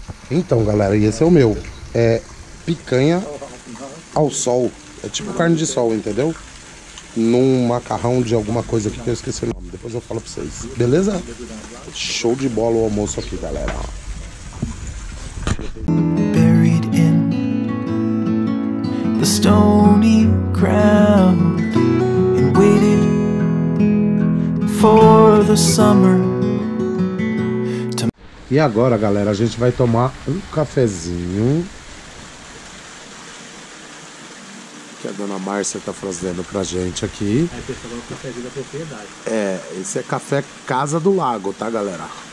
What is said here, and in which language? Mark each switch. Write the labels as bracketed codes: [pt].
[pt] Então, galera, esse é o meu. É picanha ao sol. É tipo carne de sol, entendeu? Num macarrão de alguma coisa aqui que eu esqueci o nome. Depois eu falo pra vocês. Beleza? Show de bola o almoço aqui, galera. [en] Buried in the stony ground and waited for the summer. [pt] E agora, galera, a gente vai tomar um cafezinho. Que a dona Márcia tá fazendo pra gente aqui. É, pessoal, é o cafezinho da propriedade. É, esse é café Casa do Lago, tá, galera?